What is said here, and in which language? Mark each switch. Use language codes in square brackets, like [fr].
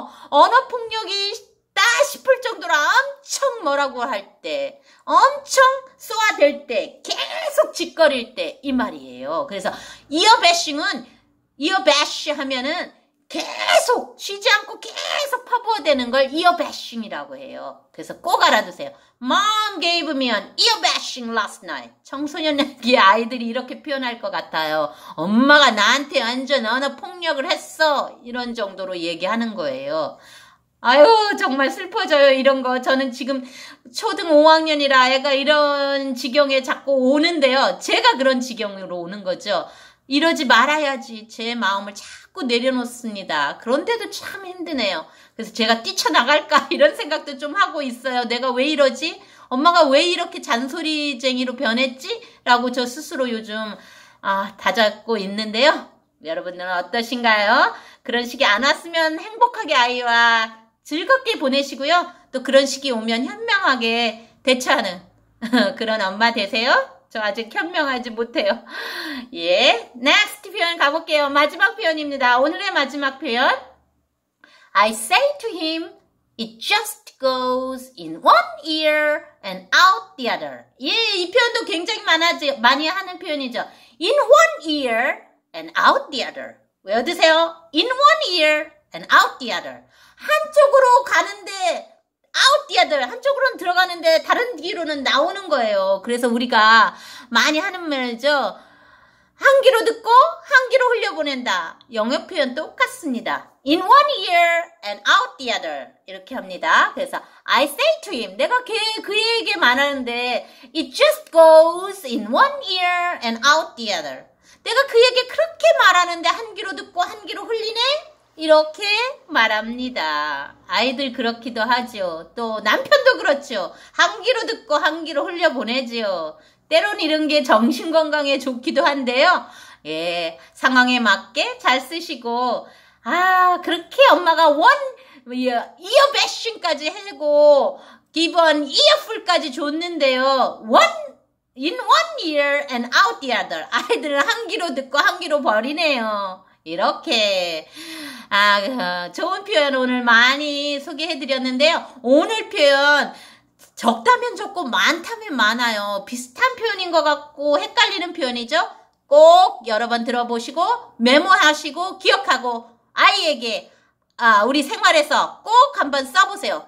[ko] 언어폭력이다 싶을 정도로 엄청 뭐라고 할 때, 엄청 쏘아댈 때, 계속 짓거릴 때이 말이에요. 그래서 이어 배싱은 이어 배쉬 하면은 계속 쉬지 않고 계속 파부어대는 걸 이어 배싱이라고 해요. 그래서 꼭 알아두세요. [en] Mom gave me an ear bashing last night. [ko] 청소년기 아이들이 이렇게 표현할 것 같아요. 엄마가 나한테 완전 언어폭력을 했어. 이런 정도로 얘기하는 거예요. 아유, 정말 슬퍼져요. 이런 거. 저는 지금 초등 5학년이라 애가 이런 지경에 자꾸 오는데요. 제가 그런 지경으로 오는 거죠. 이러지 말아야지. 제 마음을 자꾸 내려놓습니다. 그런데도 참 힘드네요. 그래서 제가 뛰쳐나갈까? 이런 생각도 좀 하고 있어요. 내가 왜 이러지? 엄마가 왜 이렇게 잔소리쟁이로 변했지? 라고 저 스스로 요즘, 다잡고 있는데요. 여러분들은 어떠신가요? 그런 식이 안 왔으면 행복하게 아이와 즐겁게 보내시고요. 또 그런 식이 오면 현명하게 대처하는 그런 엄마 되세요. 저 아직 현명하지 못해요. 예, next 표현 가볼게요. 마지막 표현입니다. 오늘의 마지막 표현. [en] I say to him, it just goes in one ear and out the other. [ko] 예, 이 표현도 굉장히 많이 하는 표현이죠. [en] In one ear and out the other. [ko] 외워두세요. [en] In one ear and out the other. [ko] 한쪽으로 가는데 [en] out the other. [ko] 한쪽으로는 들어가는데 다른 귀로는 나오는 거예요. 그래서 우리가 많이 하는 말이죠. 한 귀로 듣고 한 귀로 흘려보낸다. 영역 표현 똑같습니다. [en] In one ear and out the other. [ko] 이렇게 합니다. [en] 그래서 I say to him. [ko] 내가 그에게 말하는데, [en] It just goes in one ear and out the other. [ko] 내가 그에게 그렇게 말하는데 한 귀로 듣고 한 귀로 흘리네? 이렇게 말합니다. 아이들 그렇기도 하죠. 또 남편도 그렇죠. 한 귀로 듣고 한 귀로 흘려보내지요. 때론 이런 게 정신 건강에 좋기도 한데요. 예, 상황에 맞게 잘 쓰시고, 아, 그렇게 엄마가 원, 이어 배신까지 하고 기본 이어풀까지 줬는데요. [en] In one ear and out the other. [ko] 아이들은 한 귀로 듣고 한 귀로 버리네요. 이렇게 아 좋은 표현 오늘 많이 소개해드렸는데요. 오늘 표현 적다면 적고 많다면 많아요. 비슷한 표현인 것 같고 헷갈리는 표현이죠. 꼭 여러 번 들어보시고 메모하시고 기억하고 아이에게 아 우리 생활에서 꼭 한번 써보세요.